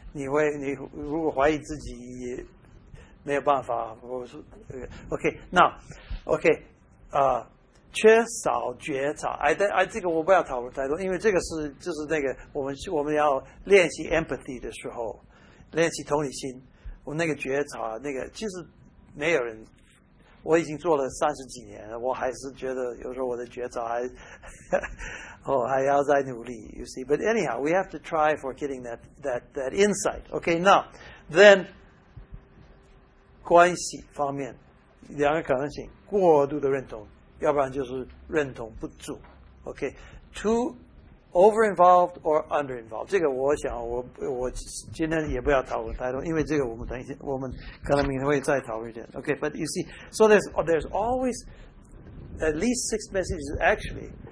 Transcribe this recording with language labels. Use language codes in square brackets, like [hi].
[zh] 你会，你如果怀疑自己也没有办法，我说 OK， 那 OK 啊、缺少觉察，哎，这个我不要讨论太多，因为这个是就是那个我们要练习 empathy 的时候，练习同理心，我那个觉察，那个其实没有人，我已经做了三十几年了，我还是觉得有时候我的觉察还。 Oh, 还要再努力 ， [en] you see. But anyhow, we have to try for getting that insight. Okay, now, then, [zh] 关系方面，两个可能性：过度的认同，要不然就是认同不足。 [en] Okay, too over-involved or under-involved. [zh] 这个我想我今天也不要讨论太多，因为这个我们等一下，我们可能明天会再讨论一点。 [en] Okay, but you see, so there's always at least six messages actually.